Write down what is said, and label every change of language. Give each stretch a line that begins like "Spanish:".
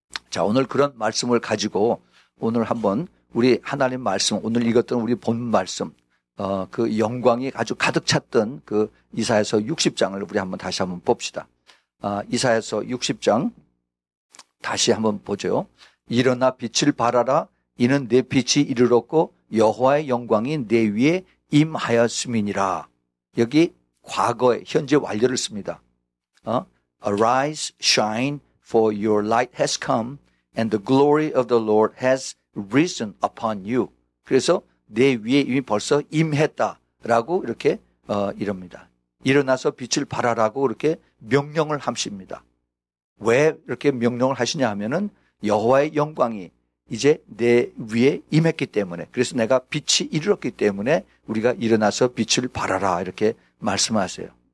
Korean: 자, 오늘 그런 말씀을 가지고 오늘 한번 우리 하나님 말씀 오늘 읽었던 우리 본 말씀 그 영광이 아주 가득 찼던 그 이사야서 60장을 우리 한번 다시 한번 봅시다. 이사야서 60장 다시 한번 보죠. 일어나 빛을 발하라 이는 내 빛이 이르렀고 여호와의 영광이 내 위에 임하였음이니라. 여기 과거의 현재 완료를 씁니다.
English: Arise, shine, for your light has come and the glory of the Lord has risen upon you.
Korean: 그래서 내 위에 이미 벌써 임했다라고 이렇게 이릅니다. 일어나서 빛을 발하라고 이렇게 명령을 하십니다. 왜 이렇게 명령을 하시냐 하면은 여호와의 영광이 이제 내 위에 임했기 때문에, 그래서 내가 빛이 이르렀기 때문에 우리가 일어나서 빛을 발하라 이렇게 말씀하세요.